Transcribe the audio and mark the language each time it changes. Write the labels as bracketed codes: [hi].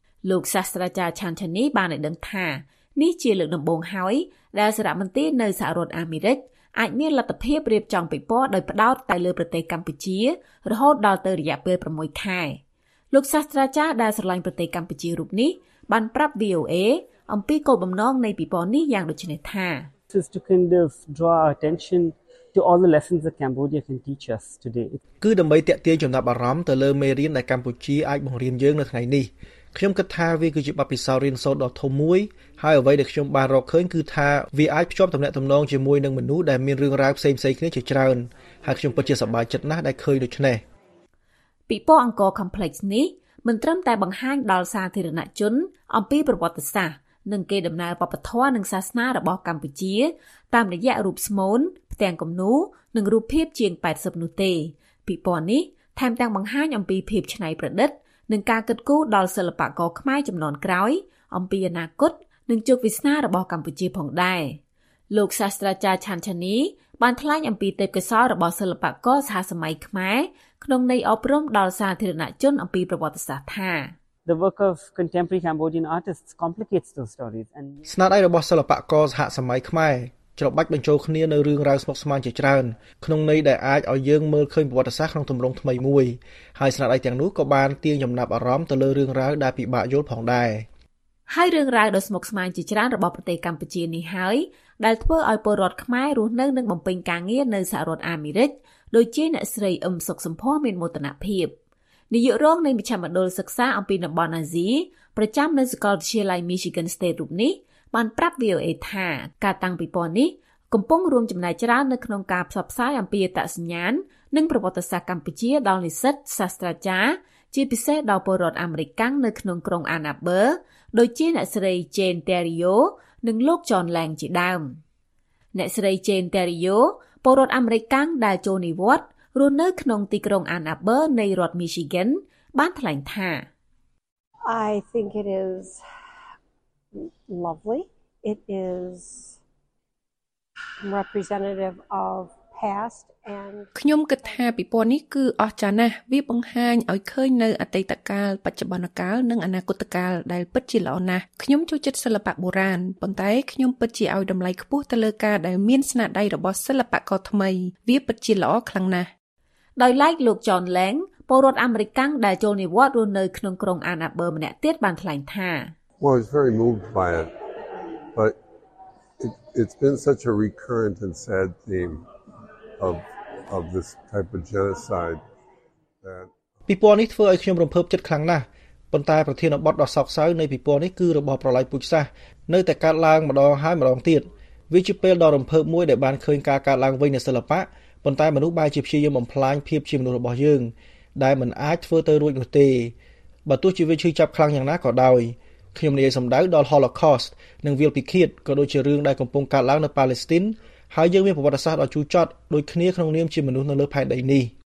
[km] លោកសាស្ត្រាចារ្យឆានឆានីបានឲ្យដឹងថានេះជាលើកដំបូងហើយដែលសារមន្ទីរនៅសហរដ្ឋអាមេរិកអាចមានលទ្ធភាពរៀបចំពិព័រណ៍ដោយផ្ដោតតែលើប្រទេសកម្ពុជារហូតដល់ទៅរយៈពេល6ខែលោកសាស្ត្រាចារ្យដែលស្រឡាញ់ប្រទេសកម្ពុជារូបនេះបានប្រាប់ VOA អំពីគោលបំណងនៃពិព័រណ៍នេះយ៉ាងដូចនេះថា [en] This to kind of draw attention to all the lessons that Cambodia can teach us today [km] គឺដើម្បីទាក់ទាញចំណាប់អារម្មណ៍ទៅលើមេរៀនដែលកម្ពុជាអាចបង្រៀនយើងនៅថ្ងៃនេះខ្ញុំគិតថាវាគឺជាបទពិសោធន៍រៀនសូត្រដ៏ធំមួយហើយអ្វីដែលខ្ញុំបានរកឃើញគឺថាវាអាចភ្ជាប់ទំនាក់ទំនងជាមួយនឹងមនុស្សដែលមានរឿងរ៉ាវផ្សេងៗគ្នាជាច្រើនហើយខ្ញុំពិតជាសប្បាយចិត្តណាស់ដែលឃើញដូច្នេះ ពិព័រណ៍អង្គរ Complex នេះមិនត្រឹមតែបង្ហាញដល់សាធារណជនអំពីប្រវត្តិសាស្ត្រនិងកេរដំណែលវប្បធម៌និងសាសនារបស់កម្ពុជាតាមរយៈរូបស្មូនផ្ទាំងគំនូរនិងរូបភាពជាង80នោះទេពិព័រណ៍នេះថែមទាំងបង្ហាញអំពីភាពច្នៃប្រឌិតនឹងការគិតគូរដល់សិល្បករខ្មែរចំនួនក្រោយអំពីអនាគតនិងជោគវាសនារបស់កម្ពុជាផងដែរលោកសាស្ត្រាចារ្យឆានឆានីប បានថ្លែងអំពីទេពកោសល្យរបស់សិល្បករសហសម័យខ្មែរក្នុងន័យអប់រំដល់សាធារណជនអំពីប្រវត្តិសាស្ត្រថា [en] The work of contemporary Cambodian artists complicates those stories and [km] ស្នាដៃរបស់សិល្បករសហសម័យខ្មែរច្របាច់បញ្ចូលគ្នានៅរឿងរ៉ាវស្មុគស្មាញជាច្រើនក្នុងន័យដែលអាចឲ្យយើងមើលឃើញប្រវត្តិសាស្ត្រក្នុងទម្រង់ថ្មីមួយហើយស្នាដៃទាំងនោះក៏បានទាញចំណាប់អារម្មណ៍ទៅលើរឿងរ៉ាវដែលពិបាកយល់ផងដែរ ហើយរឿងរ៉ាវដ៏ស្មុគស្មាញជាច្រើនរបស់ប្រទេសកម្ពុជានេះហើយដែលធ្វើឲ្យពលរដ្ឋខ្មែររស់នៅនិងបំពេញការងារនៅសហរដ្ឋអាមេរិកដូចជាអ្នកស្រីអឹមសុកសំភ័រមានមោទនភាព នាយករងនៃមជ្ឈមណ្ឌលសិក្សាអំពីតំបន់អាស៊ីប្រចាំនៅសាកលវិទ្យាល័យ Michigan State រូបនេះបានប្រាប់ VOA ថាការតាំងពិព័រណ៍នេះកំពុងរួមចំណែកច្រើននៅក្នុងការផ្សព្វផ្សាយអំពីអត្តសញ្ញាណនិងប្រវត្តិសាស្ត្រកម្ពុជាដល់និស្សិតសាស្ត្រាចារ្យជាពិសេសដល់ពលរដ្ឋអាមេរិកាំងនៅក្នុងក្រុង Ann Arbor ដូចជាអ្នកស្រី Jane Terrio និងលោក John Lang ជាដើមអ្នកស្រី Jane Terrio ពលរដ្ឋអាមេរិកាំងដែលចូលនិវត្តន៍រស់នៅក្នុងទីក្រុង Ann Arbor នៃរដ្ឋ Michigan បានថ្លែងថា [en] I think it is lovely it is representative of past and [km] ខ្ញុំគិតថាពិព័រណ៍នេះគឺអស្ចារ្យណាស់វាបង្ហាញឲ្យឃើញនៅអតីតកាលបច្ចុប្បន្នកាលនិងអនាគតកាលដែលពិតជាល្អណាស់ខ្ញុំចូលចិត្តសិល្បៈបុរាណប៉ុន្តែខ្ញុំពិតជាឲ្យតម្លៃខ្ពស់ទៅលើការដែលមានស្នាដៃរបស់សិល្បករថ្មីវាពិតជាល្អខ្លាំងណាស់ដោយឡែកលោក John Lang ពលរដ្ឋអាមេរិកកាំងដែលចូលនិវត្តន៍រស់នៅក្នុងក្រុង Ann Arbor ម្នាក់ទៀតបានថ្លែងថា [en] Well, I was very moved by it, but it's been such a recurrent and sad theme of this type of genocide that [km] ពិព័រណ៍នេះធ្វើឲ្យខ្ញុំរំភើបចិត្តខ្លាំងណាស់ប៉ុន្តែប្រធានបទដ៏សោកសៅនៃពិព័រណ៍នេះគឺរបបប្រល័យពូជសាសន៍នៅតែកើតឡើងម្ដងហើយម្ដងទៀតវាជាពេលដ៏រំភើបមួយដែលបានឃើញការកើតឡើងវិញនៃសិល្បៈប៉ុន្តែមនុស្សបែរជាព្យាយាមបំផ្លាញភាពជាមនុស្សរបស់យើងដែលមិនអាចធ្វើទៅរួចនោះទេបើទោះជាវាឈឺចាប់ខ្លាំងយ៉ាងណាក៏ដោយខ្ញុំនិយាយសម្ដៅដល់ Holocaust និងវាលពិឃាតក៏ដូចជារឿងដែលកំពុងកើតឡើងនៅប៉ាឡេស្ទីនហើយយើងមានប្រវត្តិសាស្ត្រដ៏ជូរចត់ដូចគ្នាក្នុងនាមជាមនុស្សនៅលើផែនដីនេះ